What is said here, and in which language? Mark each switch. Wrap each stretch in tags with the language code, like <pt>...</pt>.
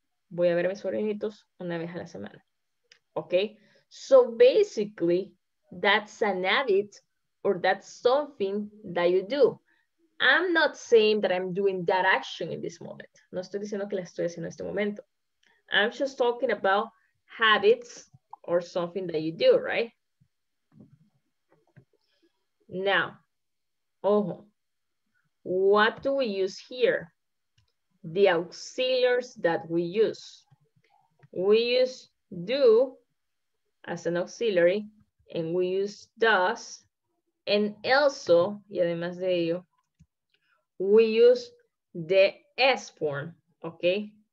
<es>Voy a ver a mis sobrinitos una vez a la semana.</es> <en>Okay, so basically, that's an habit or that's something that you do. I'm not saying that I'm doing that action in this moment.</en> <es>No estoy diciendo que la estoy haciendo en este momento.</es> <en>I'm just talking about habits or something that you do, right? Now, ojo, what do we use here? The auxiliaries that we use. We use do as an auxiliary, and we use does, and also,</en> <es>y además de ello,</es> <en>we use the S form, okay?</en>